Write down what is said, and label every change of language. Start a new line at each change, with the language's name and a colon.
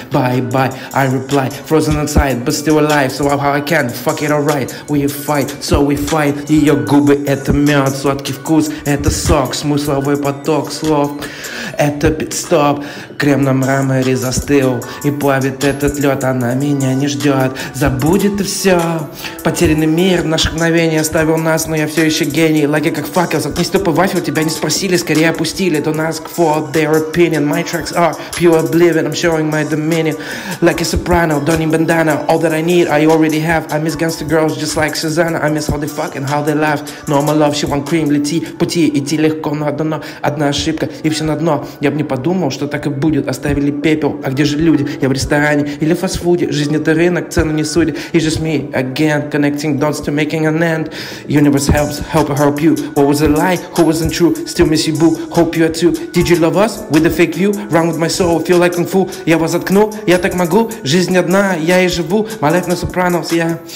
English: Bye, bye, I reply, frozen inside, but still alive. So how I can fuck it, alright, we fight, so we fight.
Russian: Ее губы — это мед, сладкий вкус — это сок. Смысловой поток слов — это пит-стоп. Крем на мраморе застыл и плавит этот лед. Она меня не ждет, забудет и все. Потерянный мир, наше мгновение оставил нас, но я все еще гений.
English: Like it,
Russian: как факел, заткнись тупо вафел. Тебя не спросили, скорее опустили.
English: Don't ask for their opinion. My tracks are pure oblivion, I'm showing my dominion. Like a soprano, don't need bandana. All that I need, I already have. I miss gangster girls just like Susanna. I miss how they fuck and how they laugh. No, my love, she want cream.
Russian: Лети, пути, идти легко, но одно, одна ошибка, и все на дно. Я б не подумал, что так и будет. Оставили пепел, а где же люди? Я в ресторане или фастфуде. Жизнь — это рынок, цену не судя.
English: It's just me again, connecting dots to making an end. Universe helps, help or help you. What was a lie? Who wasn't true? Still miss you, boo. Hope you are too. Did you love us? With a fake view? Run with my soul, feel like kung fu.
Russian: Я вас заткну, я так могу. Жизнь одна, я и живу.
English: My life not Sopranos, yeah.